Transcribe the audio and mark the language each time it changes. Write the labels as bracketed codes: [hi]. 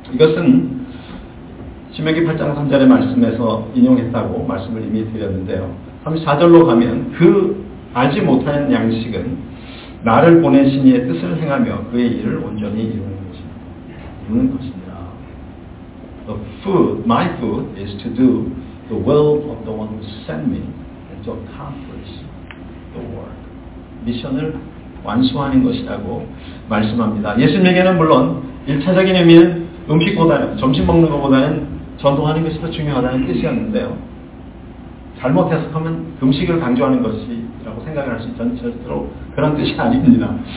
[ko] 이것은 신명기 8장 3절의 말씀에서 인용했다고 말씀을 이미 드렸는데요. 34절로 가면 그 알지 못하는 양식은 나를 보내신 이의 뜻을 행하며 그의 일을 온전히 이루는 것입니다. [en] The food, my food is to do the will of the one who sent me and to accomplish the work. [ko] 미션을 완수하는 것이라고 말씀합니다. 예수님에게는 물론 1차적인 의미는 음식보다는, 점심 먹는 것보다는 전도하는 것이 더 중요하다는 뜻이었는데요. 잘못 해석하면 음식을 강조하는 것이라고 생각을 할 수 있지만 절대로 그런 뜻이 아닙니다.